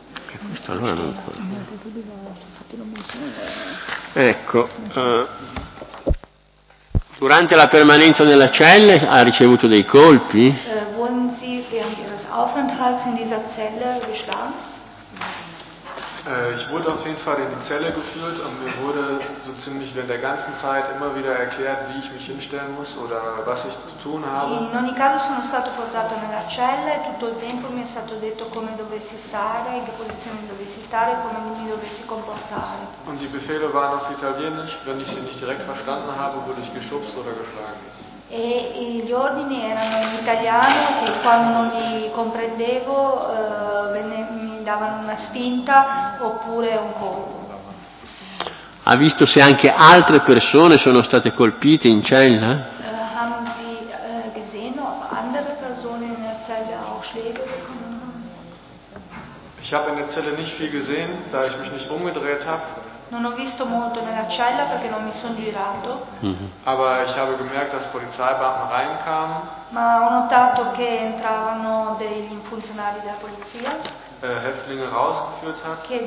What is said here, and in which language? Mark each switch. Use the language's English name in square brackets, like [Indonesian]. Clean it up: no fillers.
[Italian] E questo allora non ancora. Ecco. Durante la permanenza nella cella ha ricevuto dei colpi? [German] Wurden Sie während Ihres Aufenthalts in dieser Zelle geschlagen? Ich wurde auf jeden Fall in die Zelle geführt und mir wurde so ziemlich während der ganzen Zeit immer wieder erklärt, wie ich mich hinstellen muss oder was ich zu tun habe. [Italian] In ogni caso sono stato portato nella cella e tutto il tempo mi è stato detto come dovessi stare, in che posizione dovessi stare e come mi dovessi comportare. [German] Und die Befehle waren auf Italienisch. Wenn ich sie nicht direkt verstanden habe, wurde ich geschubst oder geschlagen. [Italian] E gli ordini erano in italiano e quando non li comprendevo mi davano una spinta oppure un colpo. Ha visto se anche altre persone sono state colpite in cella? [German] Haben Sie gesehen, ob andere persone in der Zelle auch Schläge bekommen? Ich habe in der Zelle nicht viel gesehen, da ich mich nicht umgedreht habe. [Italian] Non ho visto molto nella cella perché non mi sono girato. [German] Aber ich habe gemerkt, dass Polizeibeamten reinkamen. [Italian] Ma ho notato che entravano dei funzionari della polizia. [German] Häftlinge rausgeführt hat.